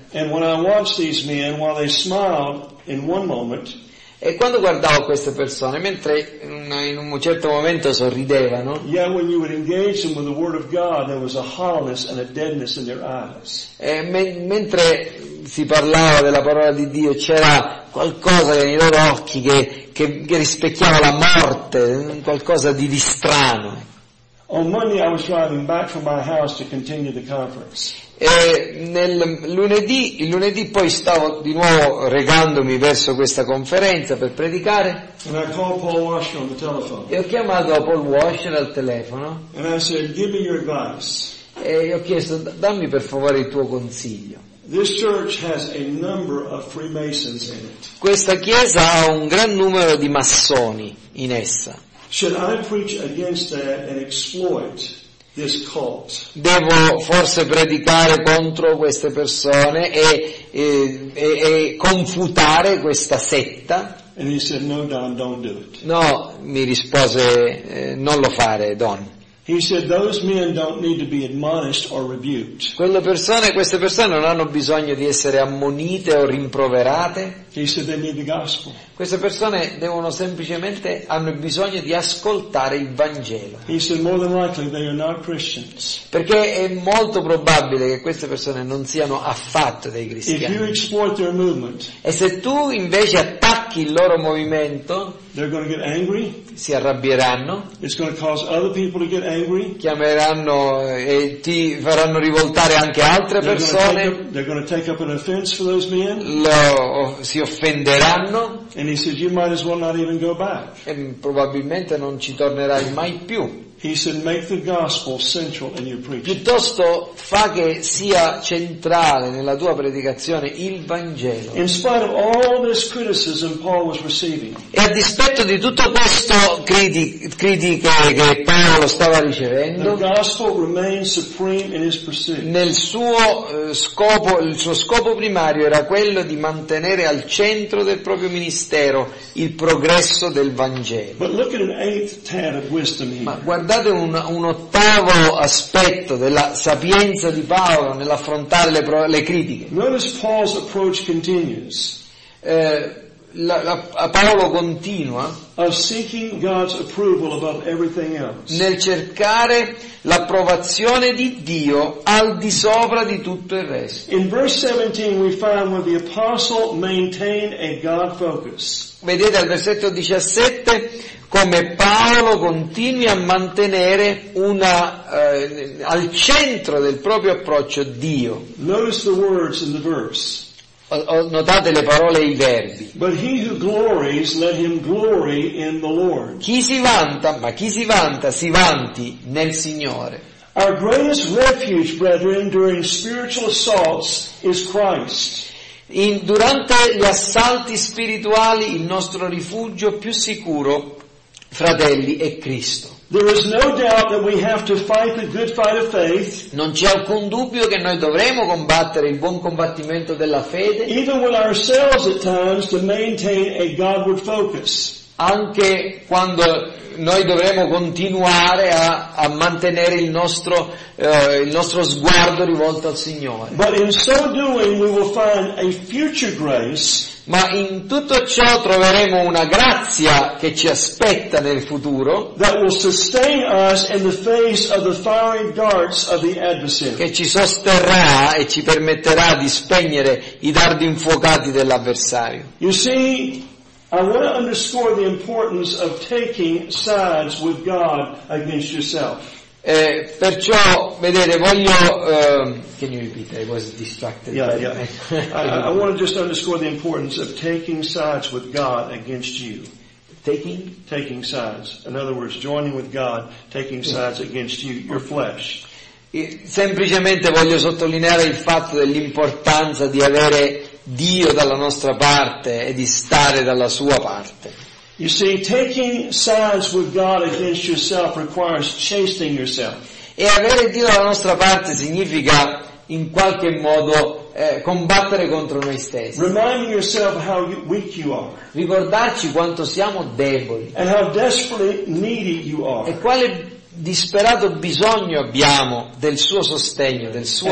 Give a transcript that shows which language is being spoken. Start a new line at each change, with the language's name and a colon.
English: And when I watched these men while they smiled in one moment.
Italian: E quando guardavo queste persone, mentre in un certo momento sorridevano, mentre si parlava della parola di Dio, c'era qualcosa nei loro occhi che rispecchiava la morte, qualcosa di strano.
English: On Monday I was driving back from my house to continue the conference.
Italian: E il lunedì poi stavo di nuovo recandomi verso questa conferenza per predicare.
English: And I called Paul Washer on the telephone.
Italian: E ho chiamato Paul Washer al telefono.
English: And I said, "Give me your advice."
Italian: E ho chiesto, dammi per favore il tuo consiglio.
English: This church has a number of Freemasons in it.
Italian: Questa chiesa ha un gran numero di massoni in essa.
English: Should I preach against that and exploit this cult?
Italian: Devo forse predicare contro queste persone e confutare questa setta?
English: And he said, "No, Don, don't do it."
Italian: No, mi rispose, non lo fare, Don.
English: He said, "Those men don't need to be admonished or rebuked."
Italian: Queste persone non hanno bisogno di essere ammonite o rimproverate.
English: He said, "They need the gospel."
Italian: Queste persone devono semplicemente hanno bisogno di ascoltare il Vangelo.
English: He said, "More than likely, they are not Christians."
Italian: Perché è molto probabile che queste persone non siano affatto dei cristiani.
English: If you exploit their movement,
Italian: e se tu invece attacchi attacchi il loro movimento,
English: they're going to get angry,
Italian: si arrabbieranno,
English: it's going to cause other people to get angry,
Italian: chiameranno e ti faranno rivoltare anche altre persone,
English: they're going to take up an offense for those men,
Italian: si offenderanno,
English: and he said, you might as well not even go back.
Italian: E probabilmente non ci tornerai mai più.
English: He said, make the gospel central in your preaching.
Italian: Piuttosto fa che sia centrale nella tua predicazione il Vangelo.
English: In spite of all this criticism Paul was receiving.
Italian: E a dispetto di tutto questo critiche che Paolo stava ricevendo,
English: the gospel remained supreme in his pursuit.
Italian: Nel suo scopo, il suo scopo primario era quello di mantenere al centro del proprio ministero il progresso del Vangelo.
English: But look at an eighth tad of wisdom here.
Italian: Guardate un ottavo aspetto della sapienza di Paolo nell'affrontare le critiche.
English: Notice Paul's approach continues.
Italian: Paolo continua
English: of seeking God's approval above everything else.
Italian: Nel cercare l'approvazione di Dio al di sopra di tutto il resto.
English: In verse 17 we find where the apostle maintained a God focus.
Italian: Vedete al versetto 17 come Paolo continui a mantenere al centro del proprio approccio Dio.
English: Notice the words in the verse.
Italian: Notate le parole e i verbi.
English: But he who glories, let him glory in the Lord.
Italian: Chi si vanta, ma chi si vanti nel Signore.
English: Our greatest refuge, brethren, during spiritual assaults is Christ.
Italian: Durante gli assalti spirituali, il nostro rifugio più sicuro, fratelli, è Cristo.
English: There is no doubt that we have to fight the good fight of faith.
Italian: Non c'è alcun dubbio che noi dovremo combattere il buon combattimento della fede.
English: Even with ourselves at times to maintain a Godward focus.
Italian: Anche quando noi dovremo continuare a mantenere il nostro sguardo rivolto al Signore.
English: But in so doing we will find a future grace.
Italian: Ma in tutto ciò troveremo una grazia che ci aspetta nel futuro,
English: that will sustain us in the face of the fiery darts of the adversary.
Italian: Che ci sosterrà e ci permetterà di spegnere i dardi infuocati dell'avversario.
English: You see, I want to underscore the importance of taking sides with God against yourself.
Italian: Perciò vedete voglio
English: can you repeat that? I was distracted. Yeah. I want to just underscore the importance of taking sides with God against you. Taking sides. In other words, joining with God, taking sides against you, your flesh.
Italian: Semplicemente voglio sottolineare il fatto dell'importanza di avere Dio dalla nostra parte e di stare dalla sua parte.
English: You see, taking sides with God against yourself requires chastening yourself.
Italian: E avere Dio dalla nostra parte significa in qualche modo combattere contro noi stessi.
English: Reminding yourself how weak you are.
Italian: Ricordarci quanto siamo deboli.
English: And how desperately needy you are.
Italian: E quale disperato bisogno abbiamo del suo sostegno, del suo